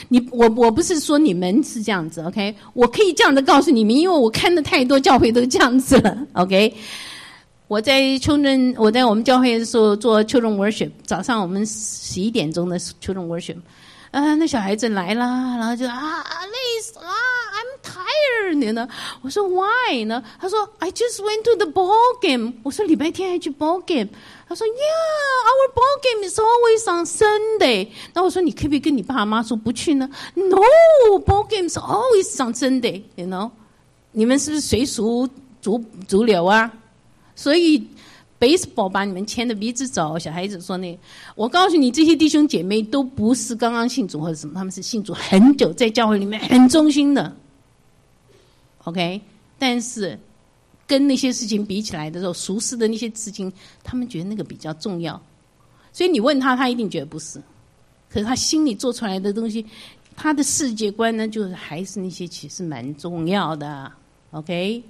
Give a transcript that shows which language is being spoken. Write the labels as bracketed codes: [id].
[zh] 我不是说你们是这样子 ，OK？ 我可以这样的告诉你们，因为我看的太多教会都这样子了 ，OK？我在我们教会的时候做 children worship， 早上我们十一点钟的 children worship。那小孩子来了，然后就累死了 ， [en] I'm tired [zh] 呢。我说 Why 呢？他说 [en] I just went to the ball game。 [zh] 我说礼拜天还去 [en] ball game。 [zh] 他说 [en] Yeah， our ball game is always on Sunday。 [zh] 那我说你可不可以跟你爸妈说不去呢 ？ [en] No， ball game is always on Sunday。 You know， [zh] 你们是不是随俗逐流啊？所以 baseball 把你们牵着鼻子走，小孩子说呢，我告诉你，这些弟兄姐妹都不是刚刚信主或者什么，他们是信主很久，在教会里面很忠心的 ，OK， 但是跟那些事情比起来的时候，熟识的那些事情，他们觉得那个比较重要，所以你问他，他一定觉得不是，可是他心里做出来的东西，他的世界观呢，就是还是那些其实蛮重要的 ，OK。